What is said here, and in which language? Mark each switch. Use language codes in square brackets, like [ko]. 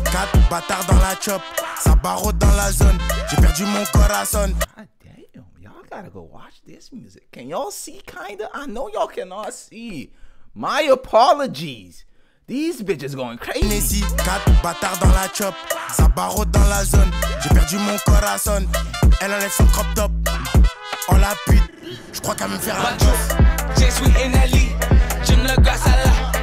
[fr] 4 bâtards dans la chop, ça barre dans la zone. J'ai perdu mon corazon. [en] God damn, y'all gotta go watch this music. Can y'all see kinda? I know y'all cannot see. My apologies. These bitches going crazy. [fr] Tennessee, 4 bâtards dans la chop, ça barre dans la zone. J'ai perdu mon corazon. Elle enlève son crop top. Oh la pute, je crois qu'elle me fait un job. Je suis NLE, j'aime le gars à la.